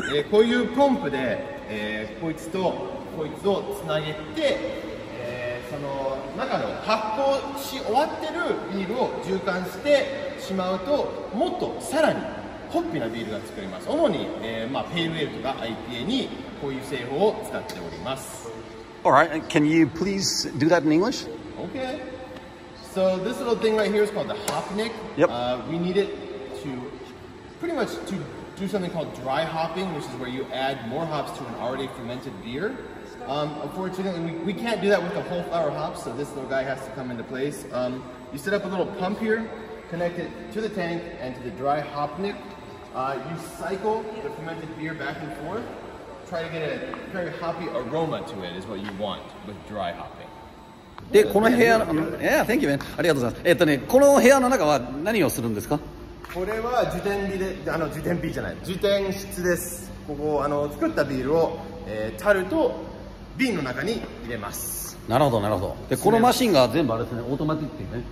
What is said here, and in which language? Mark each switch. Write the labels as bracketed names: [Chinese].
[Japanese] こういうポンプで、こいつとこいつをつなげて、その中の発酵し終わってるビールを循環してしまうと、もっとさらにホッピーなビールが作れます。主に、まあ、ペールエールとか IPA にこういう製法を使っております。 [English] All right, can you please do that in English? Okay, so this little thing right here is called the hop nick. Yep. We need it to pretty much to do something called dry hopping, which is where you add more hops to an already fermented beer. Unfortunately, we can't do that with the whole flower hops, so this little guy has to come into place. You set up a little pump here, connect it to the tank and to the dry hop nick. You cycle the fermented beer back and forth. Try to get a very hoppy aroma to it is what you want with dry hopping. [Japanese] で、この部屋の、 [English] yeah, thank you, man. [Japanese] ありがとうございます。この部屋の中は何をするんですか。これは受点ビで、あの受点ビじゃない、受点室です。ここ、あの作ったビールを、タルと瓶の中に入れます。なるほど、なるほど。で、このマシンが全部あれですね、オートマティックね。